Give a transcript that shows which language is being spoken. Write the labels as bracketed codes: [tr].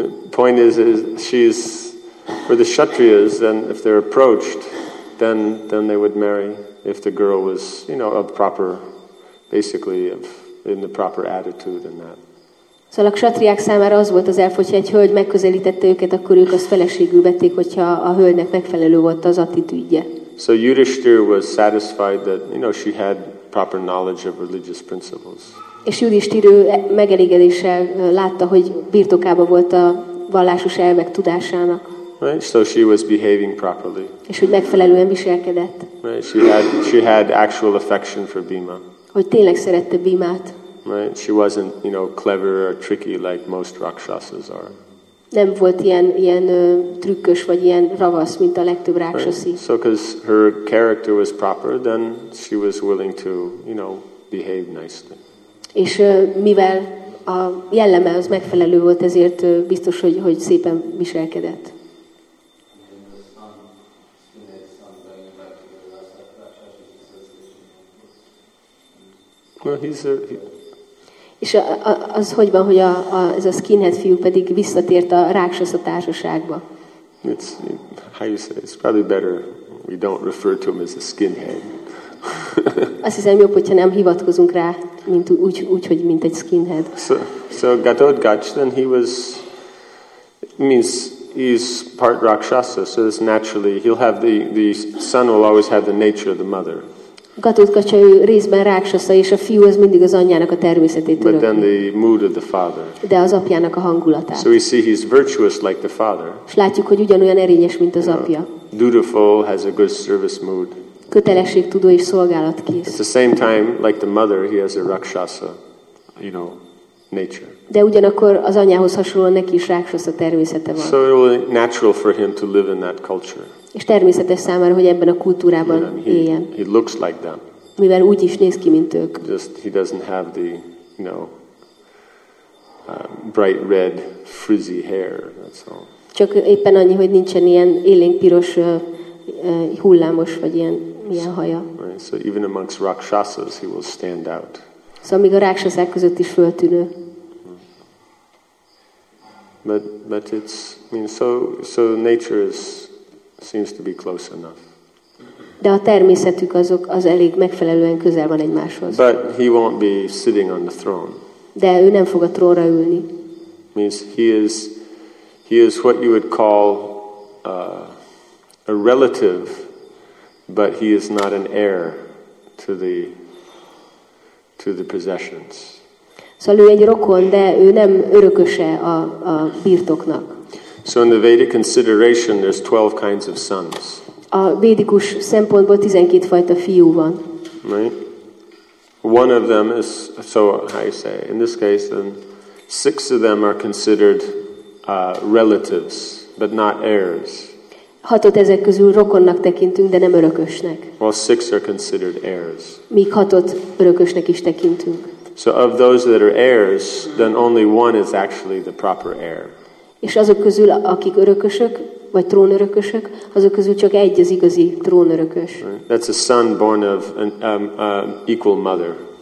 [en] Point is she's for the kshatriyas, then if they're approached then they would marry if the girl was, you know, of proper, basically of in the proper attitude and that. [hu] So a kshatriyák számára az volt az elf, hogyha egy hölgy megközelítette őket, akkor ők azt feleségül vették, hogyha a hölgynek megfelelő volt az attitűdje. [en] So Yudhishthir was satisfied that, you know, she had proper knowledge of religious principles. [hu] És Yudhishthir megelégedéssel látta, hogy birtokában volt a vallásos elvek tudásának. [en] Right, so she was behaving properly. [hu] És hogy megfelelően viselkedett. [en] Right, she had actual affection for Bhima. [hu] Hogy tényleg szerette Bhimát. [en] Right, she wasn't, you know, clever or tricky like most rakshasas are. [hu] Nem volt ilyen trükkös vagy ilyen ravasz, mint a legtöbb rakshasi. [en] Right. So because her character was proper, then she was willing to, you know, behave nicely. [hu] És mivel a jelleme az megfelelő volt, ezért biztos, hogy szépen viselkedett. [en] Well, [hu] és az hogy van, hogy ez a skinhead fiú pedig visszatért a rákszasz a társaságba? [en] It's, how you say, it's probably better we don't refer to him as a skinhead. [hu] Azt hiszem jobb, hogyha nem hivatkozunk rá, mint úgy, hogy mint egy skinhead. [en] So Gatotkacs, then he's part rakshasa, so it's naturally he'll have the son will always have the nature of the mother. [hu] Gatotkacs, ő részben rakshasa, és a fiú az mindig az anyjának a természetét örökli. [en] But then the mood of the father. [hu] De az apjának a hangulatát. [en] So we see he's virtuous like the father. [hu] És látjuk, hogy ugyanolyan erényes, mint az apja. [en] Dutiful, has a good service mood. [hu] Kötelességtudó és szolgálatkész. [en] At the same time, like the mother, he has a rakshasa, you know, nature. [hu] De ugyanakkor az anyához hasonlóan neki is rakshasa természete van. [en] So it was natural for him to live in that culture. [hu] És természetes számára, hogy ebben a kultúrában éljen. [en] He looks like them. [hu] Mivel úgy is néz ki, mint ők. [en] Just he doesn't have the, you know, bright red frizzy hair. That's all. [hu] Csak éppen annyi, hogy nincsen ilyen élénk piros hullámos vagy ilyen haja. [en] Right, so even amongst rakshasas he will stand out. [hu] Szóval még a rakshasák között is föltűnő. [en] But it's, I mean, so nature is seems to be close enough. [hu] De a természetük az elég megfelelően közel van egymáshoz. [en] But he won't be sitting on the throne. [hu] De ő nem fog a trónra ülni. [en] Means he is what you would call a relative, but he is not an heir to the possessions. [hu] Szóval ő egy rokon, de ő nem örököse a birtoknak. [en] So in the Vedic consideration, there's 12 kinds of sons. [hu] A védikus szempontból 12 fajta fiú van. [en] Right. One of them is, so how you say, in this case, then 6 of them are considered relatives, but not heirs. [hu] Hatot ezek közül rokonnak tekintünk, de nem örökösnek. [en] Well, 6 are considered heirs. [hu] Míg hatot örökösnek is tekintünk. [en] So of those that are heirs, then only one is actually the proper heir. [hu] És azok közül, akik örökösök, vagy trónörökösök, azok közül csak egy az igazi trónörökös. [en] Right. That's a son born of an equal mother.